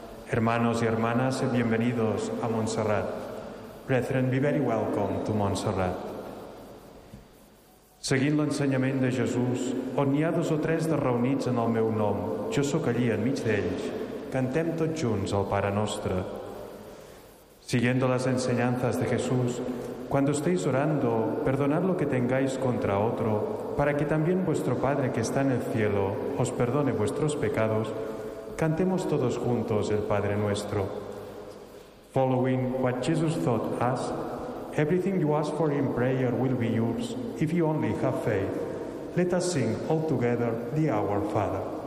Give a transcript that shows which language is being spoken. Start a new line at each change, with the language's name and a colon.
Spanish: Hermanos y hermanas, bienvenidos a Montserrat.
English: Brethren, be very welcome to Montserrat.
Catalan: Seguint l'ensenyament de Jesús, on hi ha dos o tres de reunits en el meu nom, jo sóc allí enmig d'ells, cantem tots junts el Pare Nostre.
Spanish: Siguiendo las enseñanzas de Jesús, cuando estéis orando, perdonad lo que tengáis contra otro, para que también vuestro Padre que está en el cielo os perdone vuestros pecados, cantemos todos juntos el Padre Nuestro.
English: Following what Jesus taught us, everything you ask for in prayer will be yours if you only have faith. Let us sing all together the Our Father.